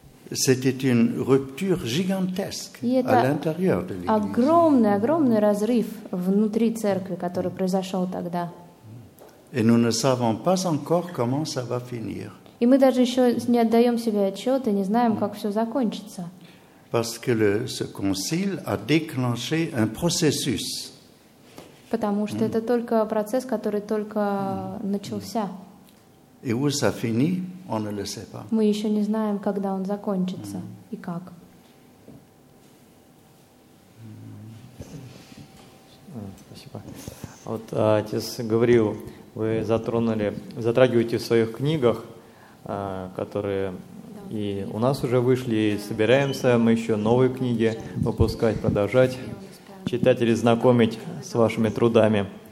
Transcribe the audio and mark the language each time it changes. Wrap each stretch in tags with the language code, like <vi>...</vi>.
<fr>C'était une rupture gigantesque à l'intérieur de l'Église.</fr> <ru>Огромный, огромный разрыв внутри церкви, который произошел тогда.</ru> <fr>Et nous ne savons pas encore comment ça va finir.</fr> <ru>И мы даже еще не отдаем себе отчет и не знаем, как все закончится.</ru> <fr>Parce que ce concile a déclenché un processus.</fr> <ru>Потому что это только процесс, который только начался.</ru> <fr>Et où ça finit, on ne le sait pas.</fr> <ru>Мы еще не знаем, когда он закончится и как. Спасибо. Вот отец Гавриил, вы затрагиваете в своих книгах, которые и у нас уже вышли, и собираемся мы еще новые книги выпускать, продолжать читателей знакомить с вашими трудами.</ru>